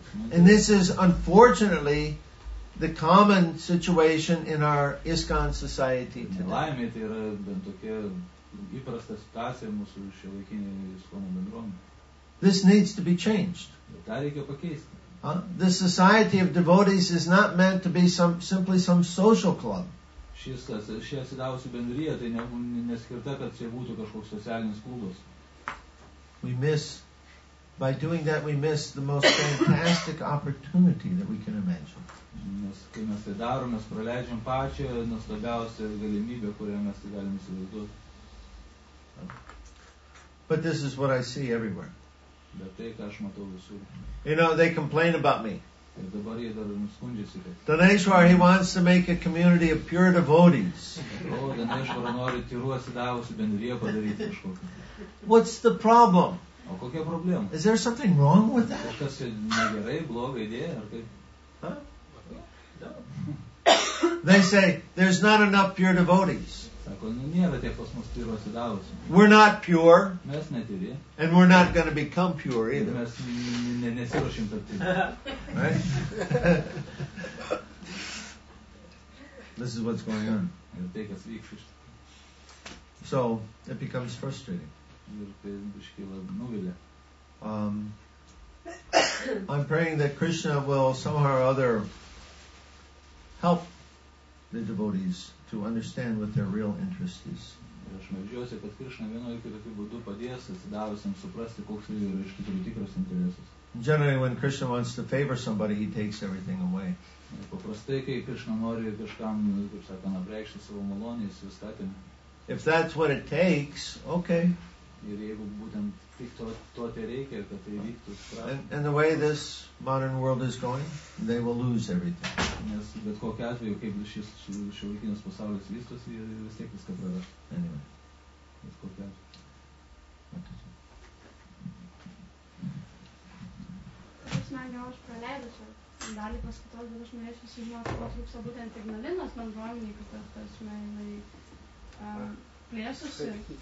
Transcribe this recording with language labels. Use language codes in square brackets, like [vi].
[en] And this is unfortunately the common situation in our ISKCON society today. [lt] įprasta situacija mūsų šiuolaikinėje iskono bendruomenėje. [en] This needs to be changed. [lt] Tą reikia pakeisti. [en] The society of devotees is not meant to be some, simply some social club. [lt] Ši atsidavusi bendryja, tai neskirta, kad čia būtų kažkoks socialinis klubas. [en] We miss, by doing that, we miss the most fantastic opportunity that we can imagine. [lt] Nes kai mes tai darom, mes praleidžiam pačią nuostabiausią galimybę, kurią mes tai galim įsivaizduoti. [en] But this is what I see everywhere. [lt] Bet tai, ką aš matau visur. [en] You know, they complain about me. [lt] Ir dabar jie dar skundžiasi. [en] Daneshwar, he wants to make a community of pure devotees. [lt] O, Daneshwar nori tyrų atsidavusių bendriją padaryti kažkokią. [en] What's the problem? [lt] O kokia problema? [en] Is there something wrong with that? [lt] Kas negerai, bloga idėja, ar kaip? [en] They say, there's not enough pure devotees. [lt] Sako, nu, nėra tiek pas mus tyrų atsidavusių. [en] We're not pure. [lt] Mes netyri. [en] And we're not going to become pure either. [lt] Mes nesiruošim tapti. [en] Right? This is what's going on. [lt] Ir tai, kas vyksta. [en] So, it becomes frustrating. [lt] Ir tai iškyla nuvilia. [en] I'm praying that Krishna will somehow or other help the devotees to understand what their real interest is. [lt] Aš meldžiuosi, kad Krishna vienoje ir kitokiu būdu padės atsidavusiems suprasti, koks yra iš tikrųjų tikras interesas. [en] Generally, when Krishna wants to favor somebody, he takes everything away. [lt] Paprastai, kai Krishna nori kažkam, kaip sakant, apreikšti savo malonę, jis viską atima. [en] If that's what it takes, okay. [lt] Ir jeigu būtent tik to tai reikia, kad tai vyktų. [en] And the way this modern world is going, they will lose everything. [lt] Nes bet kokiu atveju, kaip šis šiuolaikinis pasaulis vystosi, ir vis tiek viską praras. [en] Anyway. [lt] Bet kokiu atveju. Aš negau, aš praleidu čia dalį paskaitos, bet aš norėčiau sužinoti, kad trūksta būtent Ignalinos bendruomenei, kad tas meilai plėsusi.